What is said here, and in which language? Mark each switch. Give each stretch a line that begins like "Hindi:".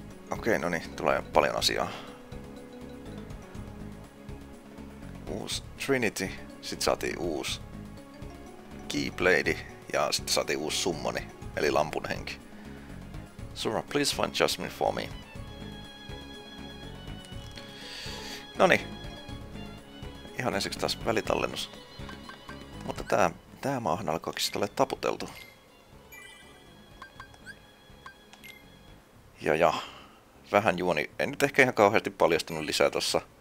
Finnish: Okei, no niin, tulee paljon asiaa. Uusi Trinity, sit saatiin uusi Keyblade ja sit saatiin uusi summoni, eli lampun henki.
English: Sora, please find Jasmine for me.
Finnish: No niin. Ihan ensiksi taas välitallennus. Mutta tää maahan alkoikin sit ole taputeltu. Ja vähän juoni. En nyt ehkä ihan kauheasti paljastunut lisää tossa.